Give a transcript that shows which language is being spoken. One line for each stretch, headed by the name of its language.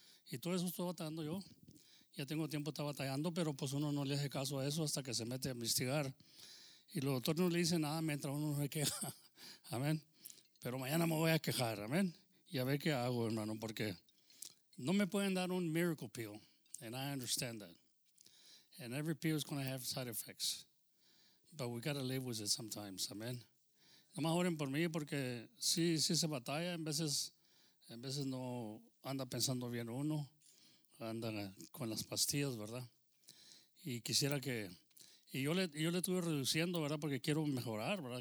Spanish: Y todo eso estoy batallando yo. Ya tengo tiempo, está batallando, pero pues uno no le hace caso a eso hasta que se mete a investigar. Y el doctor no le dice nada mientras uno no se queja. Amén. Pero mañana me voy a quejar, amén. Y a ver qué hago, hermano, porque no me pueden dar un
English: miracle pill. And I understand that. And every pill is going to have side effects. But we got to live with it sometimes, amén.
Spanish: Nomás oren por mí porque sí se batalla. En veces no anda pensando bien uno. Anda con las pastillas, ¿verdad? Y quisiera que... Y yo le estuve reduciendo, ¿verdad? Porque quiero mejorar, ¿verdad?